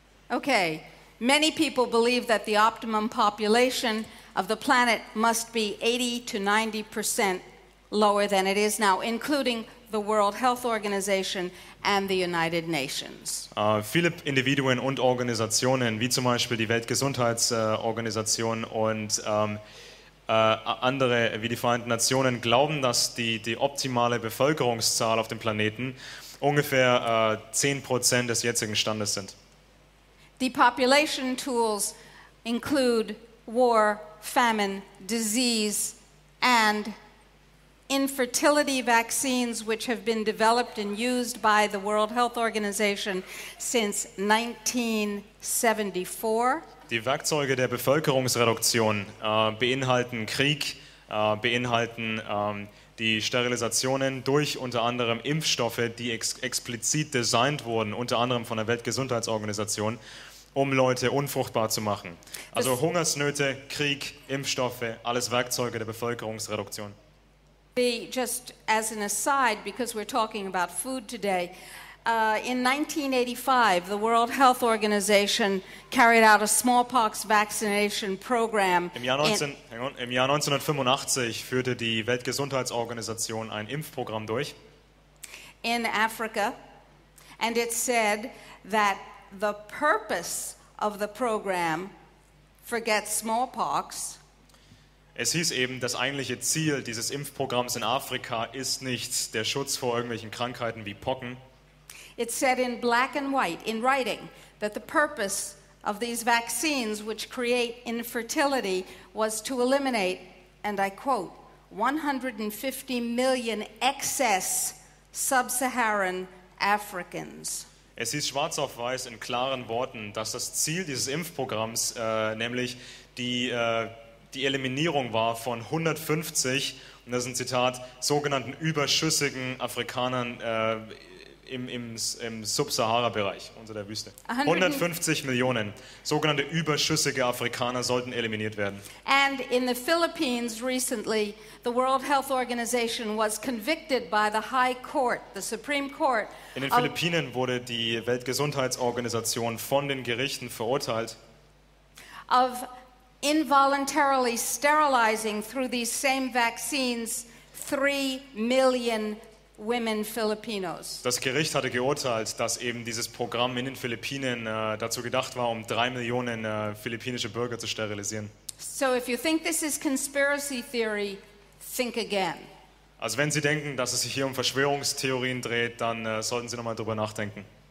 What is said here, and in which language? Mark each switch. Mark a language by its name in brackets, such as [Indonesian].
[English] Okay, many people believe that the optimum population of the planet must be 80-90% lower than it is now, including the World Health Organization and the United Nations. [German] Viele Individuen und Organisationen, wie zum Beispiel die Weltgesundheitsorganisation und andere wie die Vereinten Nationen, glauben, dass die optimale Bevölkerungszahl auf dem Planeten ungefähr 10% des jetzigen Standes sind. [English] Depopulation tools include war, famine, disease and infertility vaccines, which have been developed and used by the World Health Organization since 1974. [German] Die Werkzeuge der Bevölkerungsreduktion beinhalten Krieg, beinhalten die Sterilisationen durch unter anderem Impfstoffe, die explizit designt wurden, unter anderem von der Weltgesundheitsorganisation, um Leute unfruchtbar zu machen. Also Hungersnöte, Krieg, Impfstoffe, alles Werkzeuge der Bevölkerungsreduktion. [English] Just as an aside, because we're talking about food today, in 1985, the World Health Organization carried out a smallpox vaccination program. [German] Im Jahr 1985 führte die Weltgesundheitsorganisation ein Impfprogramm durch. [English] In Africa, and it said that the purpose of the program, forget smallpox. [German] Es hieß eben, das eigentliche Ziel dieses Impfprogramms in Afrika ist nicht der Schutz vor irgendwelchen Krankheiten wie Pocken. [English] It said in black and white, in writing, that the purpose of these vaccines, which create infertility, was to eliminate, and I quote, 150 million excess sub-Saharan Africans. [German] Es hieß schwarz auf weiß in klaren Worten, dass das Ziel dieses Impfprogramms, nämlich die Eliminierung war von 150, und das ist ein Zitat, sogenannten überschüssigen Afrikanern im Sub-Sahara-Bereich, unter der Wüste. 150 Millionen sogenannte überschüssige Afrikaner sollten eliminiert werden. [English] And in the Philippines recently, the World Health Organization was convicted by the High Court, the Supreme Court. [German] In den Philippinen wurde die Weltgesundheitsorganisation von den Gerichten verurteilt. [English] Of involuntarily sterilizing through these same vaccines 3 million women Filipinos. [German] Das Gericht hatte geurteilt, dass eben dieses Programm in den Philippinen dazu gedacht war, um 3 Millionen philippinische Bürger zu sterilisieren. [English] So if you think this is conspiracy theory, think again. [German] Also wenn Sie denken, dass es sich hier um Verschwörungstheorien dreht, dann sollten Sie nochmal drüber nachdenken.